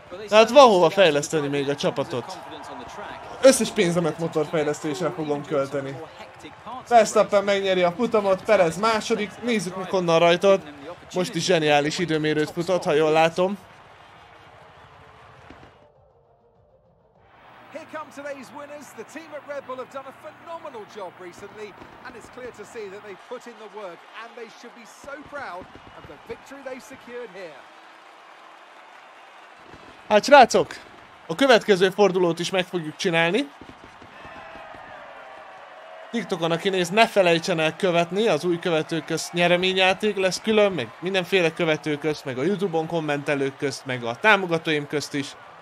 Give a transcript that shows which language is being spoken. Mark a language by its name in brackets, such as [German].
[Hungarian] Hát van hova fejleszteni még a csapatot. Összes pénzemet motorfejlesztésre fogom költeni. Verstappen megnyeri a futamot, Perez második, nézzük meg honnan rajtot. Most is zseniális időmérőt futott, ha jól látom. [English] Today's winners, the team at Red Bull have done a phenomenal job recently, and it's clear to see that they've put in the work, and they should be so proud of the victory they secured here. [Hungarian] Hát srácok, a következő fordulót is meg fogjuk csinálni. TikTokon, aki néz, ne felejtsen el követni, az új követők közt nyereményjáték lesz külön, meg mindenféle követők közt, meg a YouTube-on kommentelők közt, meg a támogatóim közt is.